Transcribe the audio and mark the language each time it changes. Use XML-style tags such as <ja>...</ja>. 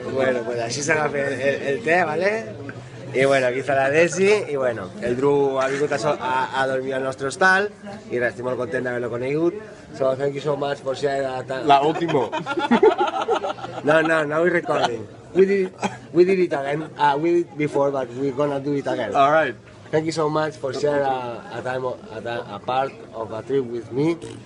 <es>Bueno, pues así se va a hacer el té, ¿vale?</es> <ca>I bueno, aquí està la Desi, i bueno, el Dru ha vingut a dormir al nostre hostal, i res, estic molt content d'haver-lo conegut.</ca> <en>So, thank you so much for sharing that time.</en> <es>La última.</es> <en>No, we're recording. We did it again. We did it before, but we're gonna do it again. All right. Thank you so much for sharing a part of a trip with me.</en>